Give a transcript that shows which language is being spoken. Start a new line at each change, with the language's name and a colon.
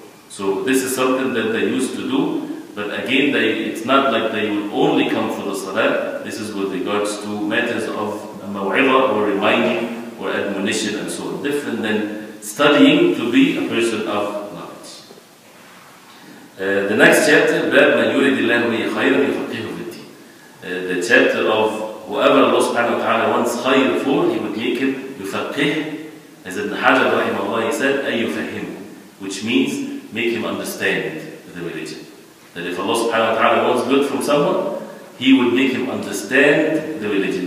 English: So this is something that they used to do, but again, it's not like they would only come for the salah. This is with regards to matters of maw'idha or reminding or admonition and so on. Different than studying to be a person of knowledge. The next chapter,
Arabic: باب من يريد الله به خيرا يفقهه في الدين.
English: The chapter of whoever Allah subhanahu wa ta'ala wants khayr for, he would make him yufaqih. As Ibn Hajar rahimahullah, he said, أَيُّفَهِمْ which means, make him understand the religion. That if Allah subhanahu wa ta'ala wants good from someone, he would make him understand the religion.